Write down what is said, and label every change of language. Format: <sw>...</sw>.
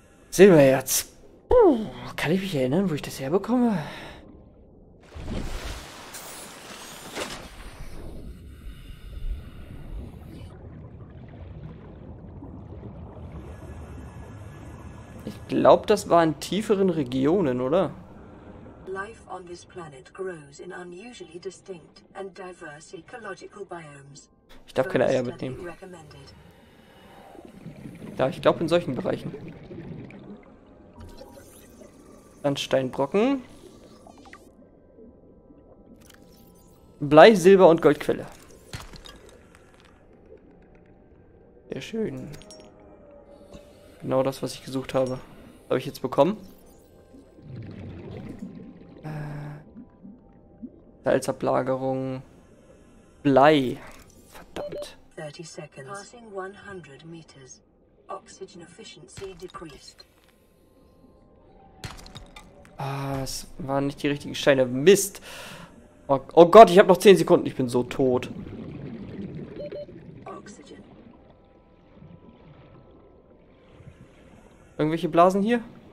<de>Silbererz. Kann ich mich erinnern, wo ich das herbekomme? Ich glaube, das war in tieferen Regionen, oder?</de> <en>Life on this planet grows in unusually distinct and diverse ecological biomes.</en> <de>Ich darf keine Eier mitnehmen. Ja, ich glaube in solchen Bereichen. Sandsteinbrocken. Blei, Silber und Goldquelle. Sehr schön. Genau das, was ich gesucht habe, habe ich jetzt bekommen. Salzablagerung. Blei. Verdammt.</de> <en>30 seconds. Passing 100 meters. Oxygen efficiency decreased.</en> <de>Ah, es waren nicht die richtigen Steine. Mist. Oh Gott, ich habe noch 10 Sekunden. Ich bin so tot. Irgendwelche Blasen hier?</de>